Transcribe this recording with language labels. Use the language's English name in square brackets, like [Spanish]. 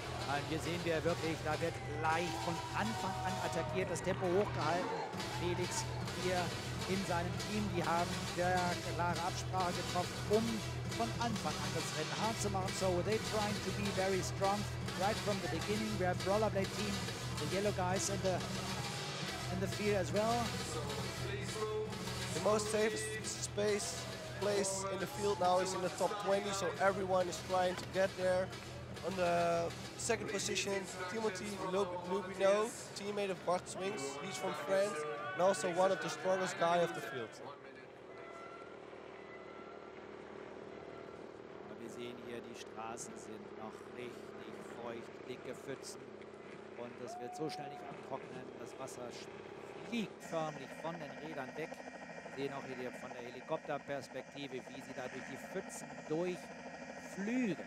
[German] Und hier sehen wir wirklich, da wird gleich von Anfang an attackiert, das Tempo hochgehalten. Felix hier in seinem Team, die haben sehr klare Absprache getroffen, um von Anfang an das Rennen hart zu machen. [English] So they trying to be very strong right from the beginning. We have Rollerblade Team, the yellow guys in the field as well. The most safe space place in the field now is in the top 20, so everyone is trying to get there. On the second position, Timothy Lubino, teammate of Bart Swings. He's from France and also one of the strongest guys of the field. [German] Wir sehen hier, die Straßen sind noch richtig feucht, dicke Pfützen. Und das wird so schnell nicht abtrocknen. Das Wasser fliegt förmlich von den Rädern weg. Wir sehen auch hier von der Helikopterperspektive, wie sie da durch die Pfützen durch. Flüge.